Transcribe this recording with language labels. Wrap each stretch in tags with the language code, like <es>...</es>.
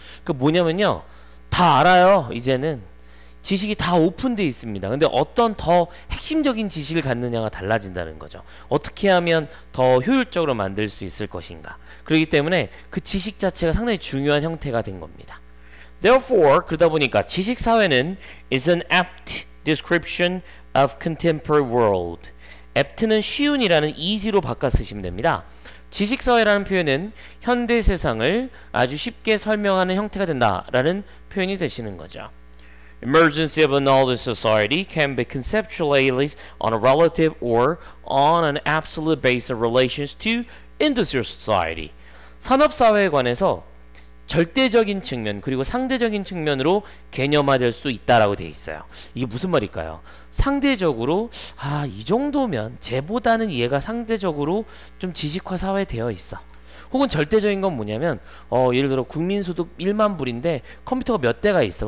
<ko>그 뭐냐면요, 다 알아요. 이제는 지식이 다 오픈되어 있습니다. 근데 어떤 더 핵심적인 지식을 갖느냐가 달라진다는 거죠. 어떻게 하면 더 효율적으로 만들 수 있을 것인가. 그렇기 때문에 그 지식 자체가 상당히 중요한 형태가 된 겁니다.</ko> <en>Therefore,</en> <ko>그러다 보니까 지식 사회는</ko> <en>is an apt description of contemporary world.</en> <ko>apt는 쉬운이라는 easy로 바꿔 쓰시면 됩니다. 지식사회라는 표현은 현대 세상을 아주 쉽게 설명하는 형태가 된다라는 표현이 되시는 거죠.</ko> <en>Emergency of a knowledge society can be conceptualized on a relative or on an absolute basis in relations to industrial society.</en> <ko>산업사회에 관해서 절대적인 측면 그리고 상대적인 측면으로 개념화될 수 있다라고 되어 있어요. 이게 무슨 말일까요? 상대적으로 아, 이 정도면 쟤보다는 얘가 상대적으로 좀 지식화 사회 되어 있어. 혹은 절대적인 건 뭐냐면 예를 들어 국민소득 1만 불인데 컴퓨터가 몇 대가 있어.</ko>